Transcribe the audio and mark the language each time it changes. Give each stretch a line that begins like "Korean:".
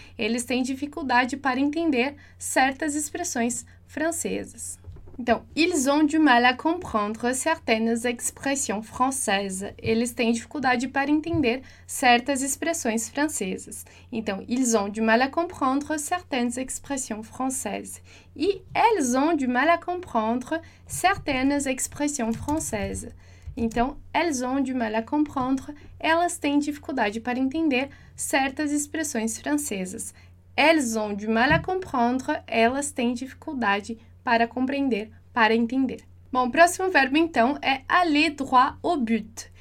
Portuguese: Eles têm dificuldade para entender certas expressões francesas.
French: Então, ils ont du mal à comprendre certaines expressions françaises.
Portuguese: Eles têm dificuldade para entender certas expressões francesas.
French: Então, ils ont du mal à comprendre certaines expressions françaises. E elles ont du mal à comprendre certaines expressions françaises.
Portuguese: Então,
French: elles ont du mal à comprendre,
Portuguese: elas têm dificuldade para entender certas expressões francesas.
French: Elles ont du mal à comprendre,
Portuguese: elas têm dificuldade para compreender, para entender. Bom, o próximo verbo, então, é
French: aller droit au but.